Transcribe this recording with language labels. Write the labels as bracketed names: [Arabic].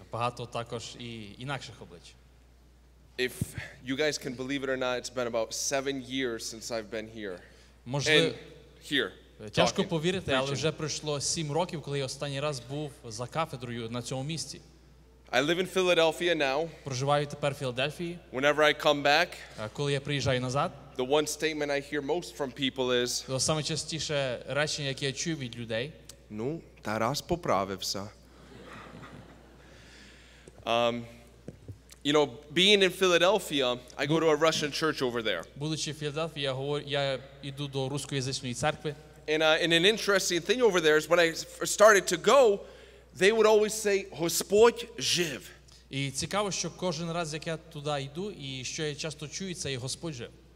[Ukrainian] Багато також і інакших облич. [English] If you guys can believe it or not, it's been about 7 years since I've been here. [Ukrainian] Можливо, [English] here. [Ukrainian] Тяжко повірити, але вже пройшло 7 років, коли я останній раз був за кафедрою на цьому місці. [English] I live in Philadelphia now. [Ukrainian] Проживаю тепер в Філадельфії. [English] Whenever I come back, [Ukrainian] коли я приїжджаю назад, [English] the one statement I hear most from people is, [Ukrainian] саме частіше речення, яке я чую від людей, ну, Тарас поправився. [English] You know, being in Philadelphia, I go to a Russian church over there. [Ukrainian] Будучи в Філадельфії, я йду до російськомовної церкви. [English] And an interesting thing over there is when I started to go, they would always say, [Ukrainian] Господь жив. І цікаво, що кожен раз, як я туди йду, і що я часто чую, це Господь жив.